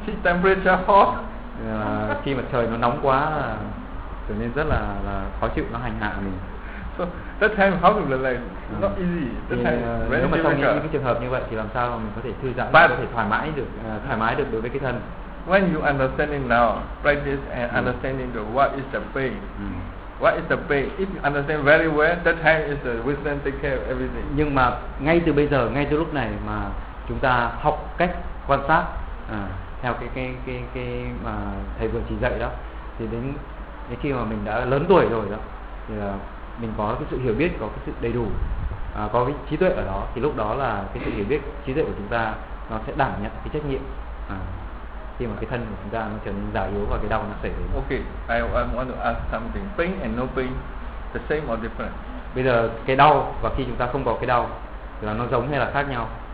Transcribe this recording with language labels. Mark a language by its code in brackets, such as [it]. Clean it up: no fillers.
[en] Temperature hot. [vi] Khi mà trời nó nóng quá là trở nên rất là khó chịu, nó hành hạ mình. [en] So that time how to relax? Not easy. That time [vi] nếu mà trong những cái trường hợp như vậy thì làm sao mà mình có thể thư giãn, có thể thoải mái được đối với cái thân? [en] When you understanding now, practice and understanding the what is the pain. What is the pain? If you understand very well, that time is the wisdom take care of everything. [vi] Nhưng mà ngay từ bây giờ, ngay từ lúc này mà chúng ta học cách quan sát theo cái mà thầy vừa chỉ dạy đó, thì đến khi mà mình đã lớn tuổi rồi đó, thì là mình có cái sự hiểu biết, có cái sự đầy đủ, có cái trí tuệ ở đó, thì lúc đó là cái sự hiểu biết, trí tuệ của chúng ta nó sẽ đảm nhận cái trách nhiệm. Khi mà cái thân của chúng ta nó trở nên già yếu và cái đau nó xảy đến. [en] Okay, I want to ask something. Pain and no pain, the same or different? [vi] Bây giờ cái đau và khi chúng ta không có cái đau thì là nó giống hay là khác nhau?